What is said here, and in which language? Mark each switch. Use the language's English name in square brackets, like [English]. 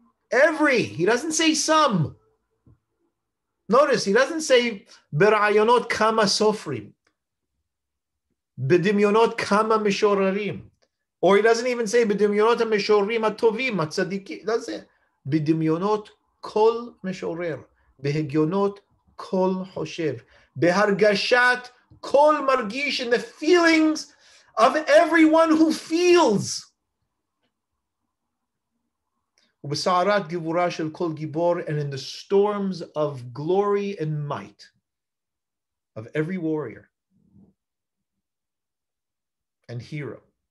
[English] Every, he doesn't say some. Notice, he doesn't say [Hebrew] ברעיונות כמה סופרים, בדמיונות כמה משוררים, [English] or he doesn't even say [Hebrew] בדמיונות המשוררים הטובים, הצדיקים, [English] that's it. [Hebrew] בדמיונות כל משורר, בהגיונות כל חושב, בהרגשת כל מרגיש, [English] in the feelings of everyone who feels. [Hebrew] ובסערת גיבורה של כל גיבור, [English] and in the storms of glory and might of every warrior and hero.